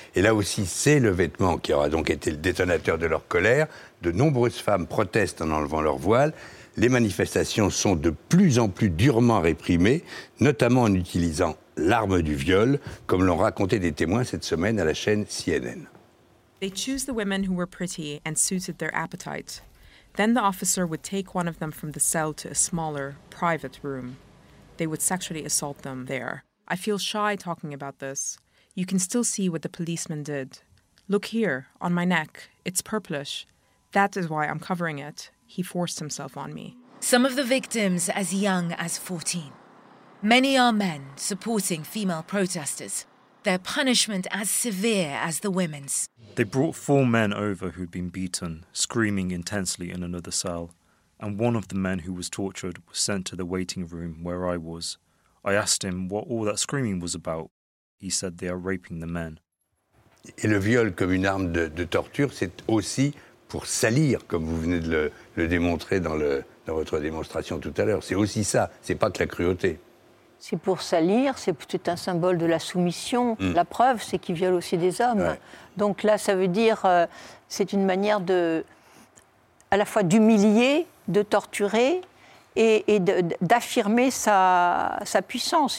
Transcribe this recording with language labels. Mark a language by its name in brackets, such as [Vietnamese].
[French] Et là aussi, c'est le vêtement qui aura donc été le détonateur de leur colère. De nombreuses femmes protestent en enlevant leur voile. Les manifestations sont de plus en plus durement réprimées, notamment en utilisant l'arme du viol, comme l'ont raconté des témoins cette semaine à la chaîne CNN. [English] They choose the women who were pretty and suited their appetite. Then the officer would take one of them from the cell to a smaller, private room. They would sexually assault them there. I feel shy talking about this. You can still see what the policeman did. Look here, on my neck. It's purplish. That is why I'm covering it. He forced himself on me. Some of the victims as young as 14. Many are men supporting female protesters. Their punishment as severe as the women's. They brought four men over who'd been beaten, screaming intensely in another cell. And one of the men who was tortured was sent to the waiting room where I was. I asked him what all that screaming was about. He said they are raping the men. [French] Et le viol comme une arme de torture, c'est aussi pour salir, comme vous venez de le démontrer dans votre démonstration tout à l'heure. C'est aussi ça, c'est pas que la cruauté. C'est pour salir, c'est un symbole de la soumission. Mmh. La preuve, c'est qu'ils violent aussi des hommes. Ouais. Donc là, ça veut dire, c'est une manière de, à la fois d'humilier, de torturer et d'affirmer sa puissance.